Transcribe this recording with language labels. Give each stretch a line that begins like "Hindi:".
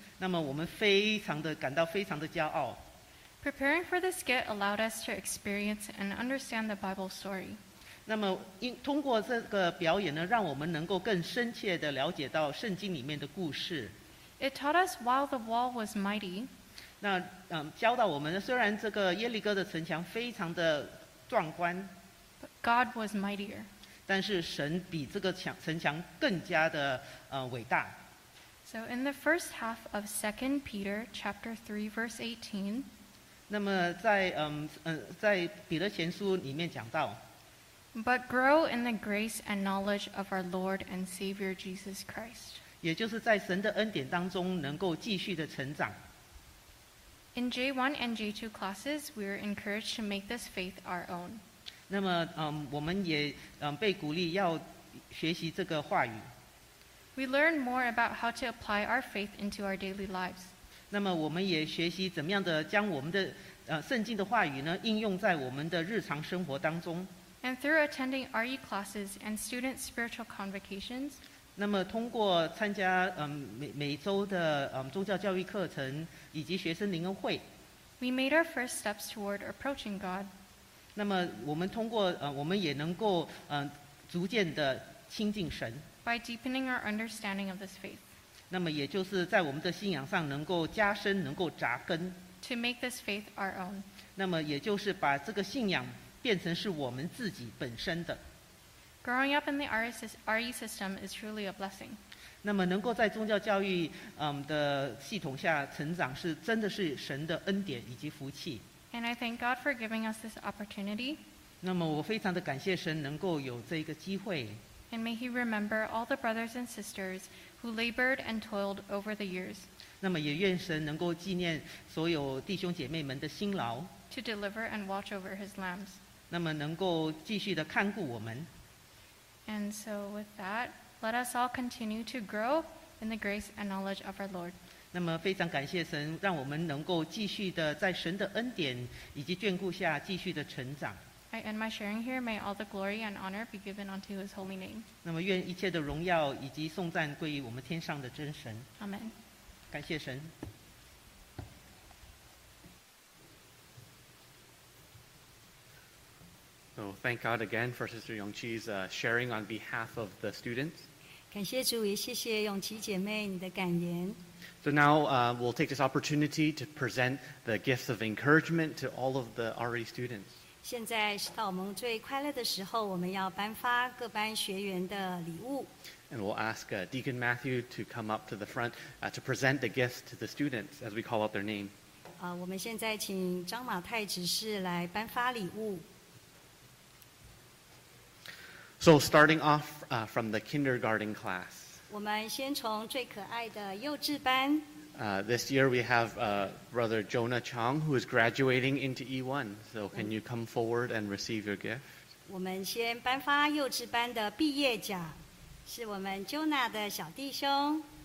Chinese: 那么我们非常的感到非常的骄傲。
English: Preparing for the skit allowed us to experience and understand the Bible story.
Chinese: 那么通过这个表演呢，让我们能够更深切的了解到圣经里面的故事。
English: It taught us while the wall was mighty.
Chinese: 那教导我们，虽然这个耶利哥的城墙非常的壮观
English: ，But God was mightier.
Chinese: 但是神比这个城墙更加的伟大。
English: So in the first half of 2 Peter chapter 3 verse 18.
Chinese: 那么在彼得前书里面讲到
English: ，But grow in the grace and knowledge of our Lord and Savior Jesus Christ.
Chinese: 也就是在神的恩典当中能够继续的成长。
English: In J1 and J2 classes, we are encouraged to make this faith our own.
Chinese: 那么我们也被鼓励要学习这个话语。
English: We learn more about how to apply our faith into our daily lives.
Chinese: 那么我们也学习怎么样的将我们的圣经的话语呢应用在我们的日常生活当中。
English: And through attending RE classes and student spiritual convocations,
Chinese: 那么通过参加每周的宗教教育课程以及学生灵恩会
English: We made our first steps toward approaching God.
Chinese: 那么我们通过我们也能够逐渐的亲近神
English: By deepening our understanding of this faith.
Chinese: 那么也就是在我们的信仰上能够加深能够扎根
English: To make this faith our own.
Chinese: 那么也就是把这个信仰变成是我们自己本身的
English: Growing up in the RE system is truly a blessing.
Chinese: 那么能够在宗教教育的系统下成长是真的是神的恩典以及福气。
English: And I thank God for giving us this opportunity.
Chinese: 那么我非常的感谢神能够有这个机会。
English: And may He remember all the brothers and sisters who labored and toiled over the years.
Chinese: 那么也愿神能够纪念所有弟兄姐妹们的辛劳。
English: To deliver and watch over His lambs.
Chinese: 那么能够继续的看顾我们。
English: And so with that, let us all continue to grow in the grace and knowledge of our Lord.
Chinese: 那么非常感谢神，让我们能够继续的在神的恩典以及眷顾下继续的成长。
English: I end my sharing here. May all the glory and honor be given unto His holy name.
Chinese: 那么愿一切的荣耀以及颂赞归于我们天上的真神。
English: Amen.
Chinese: 感谢神。
English: So thank God again for Sister Yongqi's sharing on behalf of the students.
Chinese: 感谢主，也谢谢永琪姐妹你的感言。
English: So now we'll take this opportunity to present the gifts of encouragement to all of the RE students.
Chinese: 现在是到我们最快乐的时候，我们要颁发各班学员的礼物。
English: And we'll ask Deacon Matthew to come up to the front to present the gifts to the students as we call out their name.
Chinese: 我们现在请张马太执事来颁发礼物。
English: So starting off from the kindergarten class.
Chinese: 我们先从最可爱的幼稚班。
English: This year we have Brother Jonah Chong, who is graduating into E1. So can you come forward and receive your gift?
Chinese: 我们先颁发幼稚班的毕业奖，是我们Jonah的小弟兄。